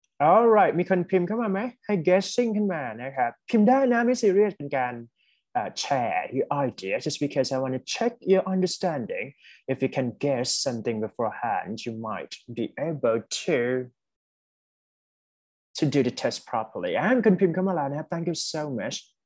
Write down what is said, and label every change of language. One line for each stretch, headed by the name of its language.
Thai: Alright, มีคนพิมพ์เข้ามาไหมให้ guessing ขึ้นมานะครับพิมพ์ได้นะไม่ซีเรียสเป็นการ
English: share your idea just because I want to check your understanding. If you can guess something beforehand, you might be able to do the test properly. And
Thai: คนพิมพ์เข้ามาแล้วนะครับ
English: Thank you so much.